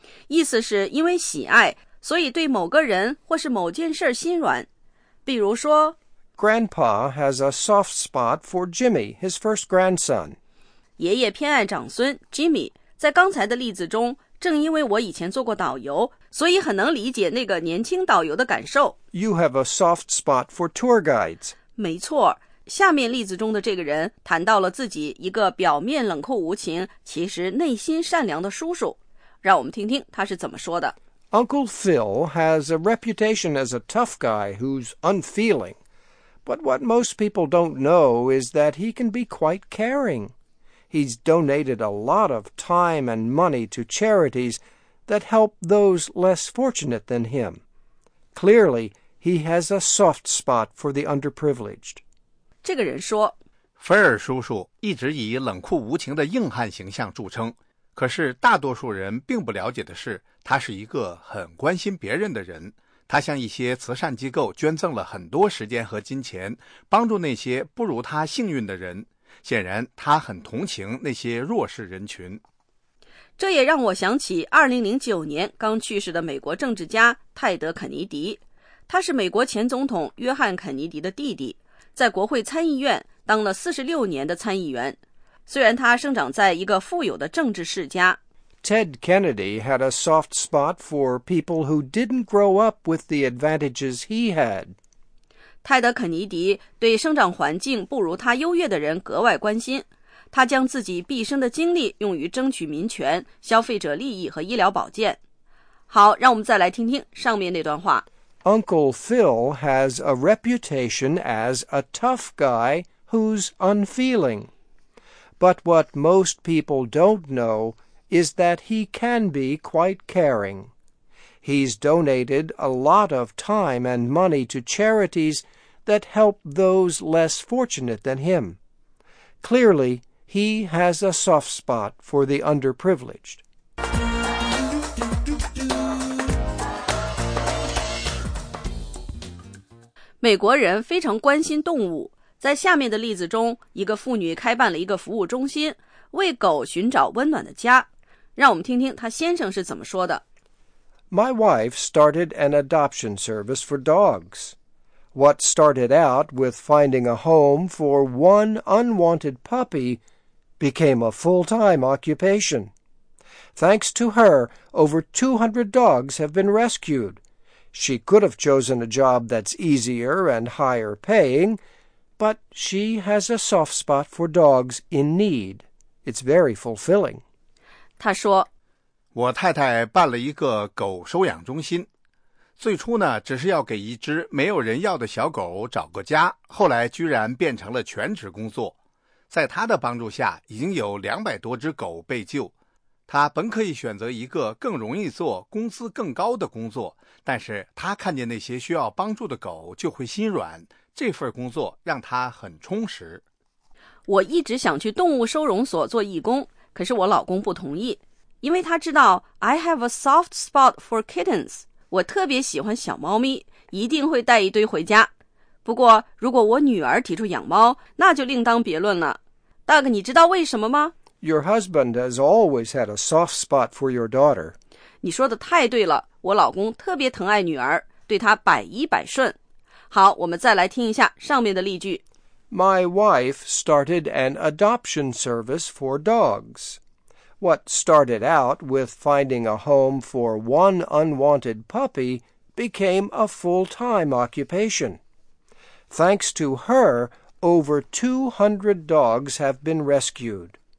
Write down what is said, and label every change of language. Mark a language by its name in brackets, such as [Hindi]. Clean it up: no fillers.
[Chinese] 意思是因为喜爱，所以对某个人或是某件事心软。比如说 [English] Grandpa has a soft spot for Jimmy, his first grandson. [Chinese] 爷爷偏爱长孙 Jimmy. 在刚才的例子中，正因为我以前做过导游，所以很能理解那个年轻导游的感受。 [English] You have a soft spot for tour guides. [Chinese] 没错。下面例子中的这个人谈到了自己一个表面冷酷无情，其实内心善良的叔叔。让我们听听他是怎么说的。 [English] Uncle Phil has a reputation as a tough guy who's unfeeling. But what most people don't know is that he can be quite caring. He's donated a lot of time and money to charities that help those less fortunate than him. Clearly, he has a soft spot for the underprivileged. [Chinese] 这个人说菲尔叔叔一直以冷酷无情的硬汉形象著称，可是大多数人并不了解的是，他是一个很关心别人的人。他向一些慈善机构捐赠了很多时间和金钱，帮助那些不如他幸运的人。显然他很同情那些弱势人群。这也让我想起2009年刚去世的美国政治家泰德·肯尼迪。他是美国前总统约翰·肯尼迪的弟弟，在国会参议院当了46年的参议员。虽然他生长在一个富有的政治世家。 [English] Ted Kennedy had a soft spot for people who didn't grow up with the advantages he had. [Chinese] 泰德·肯尼迪对生长环境不如他优越的人格外关心。他将自己毕生的精力用于争取民权、消费者利益和医疗保健。好，让我们再来听听上面那段话。 [English] Uncle Phil has a reputation as a tough guy who's unfeeling. But what most people don't know is that he can be quite caring. He's donated a lot of time and money to charities that help those less fortunate than him. Clearly, he has a soft spot for the underprivileged. [Chinese] Americans 非常关心动物。在下面的例子中，一个妇女开办了一个服务中心，为狗寻找温暖的家。让我们听听她先生是怎么说的。 [English] My wife started an adoption service for dogs. What started out with finding a home for one unwanted puppy became a full-time occupation. Thanks to her, over 200 dogs have been rescued. She could have chosen a job that's easier and higher paying, but she has a soft spot for dogs in need. It's very fulfilling. [Chinese] 她说，我太太办了一个狗收养中心，最初呢，只是要给一只没有人要的小狗找个家，后来居然变成了全职工作。在她的帮助下，已经有200多只狗被救。她本可以选择一个更容易做、工资更高的工作，但是她看见那些需要帮助的狗就会心软，这份工作让她很充实。我一直想去动物收容所做义工，可是我老公不同意。因为他知道 [English] I have a soft spot for kittens， [Chinese] 我特别喜欢小猫咪，一定会带一堆回家。不过如果我女儿提出养猫，那就另当别论了。 Doug， 你知道为什么吗？ [English] Your husband has always had a soft spot for your daughter。 [Chinese] 你说的太对了，我老公特别疼爱女儿，对她百依百顺。好，我们再来听一下上面的例句。 [English] My wife started an adoption service for dogs。 What started out with finding a home for one unwanted puppy became a full-time occupation. Thanks to her, over 200 dogs have been rescued.